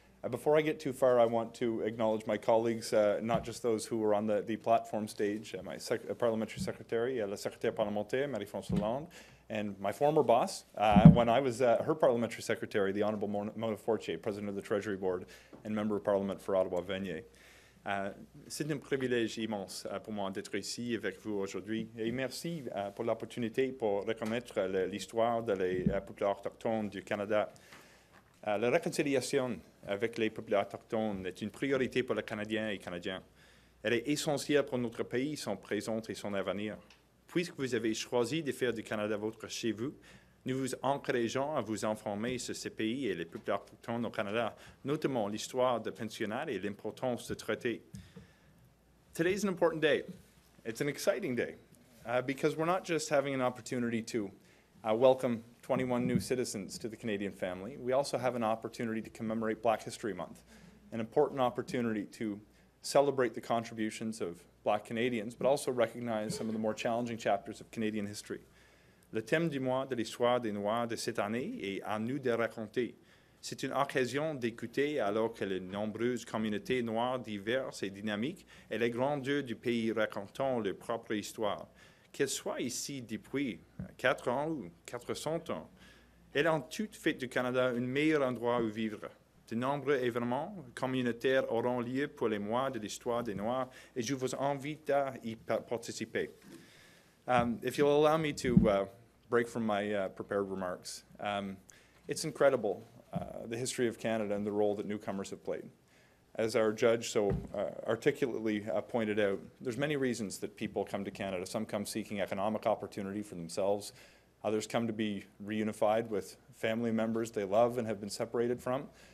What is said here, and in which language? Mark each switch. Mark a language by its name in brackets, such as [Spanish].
[English] Before I get too far, I want to acknowledge my colleagues, not just those who are on the platform stage, my parliamentary secretary, [French] la secrétaire parlementaire, [English] Marie-France Hollande, and my former boss, when I was her parliamentary secretary, the Honorable Mona Fortier, president of the Treasury Board and member of parliament for Ottawa Vanier. [French] C'est un privilège immense pour moi d'être ici avec vous aujourd'hui. Et merci pour l'opportunité pour reconnaître l'histoire des peuples autochtones du Canada. La réconciliation avec les peuples autochtones est une priorité pour les Canadiens et Canadiens. Elle est essentielle pour notre pays, son présent et son avenir. Puisque vous avez choisi de faire du Canada votre chez-vous, nous vous encourageons à vous informer sur ces pays et les peuples autochtones au Canada, notamment l'histoire des pensionnats et l'importance de traités. [English] Today is an important day. It's an exciting day because we're not just having an opportunity to welcome 21 new citizens to the Canadian family. We also have an opportunity to commemorate Black History Month, an important opportunity to celebrate the contributions of Black Canadians, but also recognize some of the more challenging chapters of Canadian history. [French] Le thème du mois de l'histoire des Noirs de cette année est à nous de raconter. C'est une occasion d'écouter alors que les nombreuses communautés noires diverses et dynamiques et les grandeurs du pays racontent leur propre histoire, qu'elles soient ici depuis 4 ans ou 400 ans. Elles ont toutes fait du Canada un meilleur endroit où vivre. De nombreux événements communautaires auront lieu pour les mois de l'histoire des Noirs et je vous invite à y participer. [English] If you'll allow me to break from my prepared remarks, it's incredible the history of Canada and the role that newcomers have played. As our judge so articulately pointed out, there's many reasons that people come to Canada. Some come seeking economic opportunity for themselves. Others come to be reunified with family members they love and have been separated from.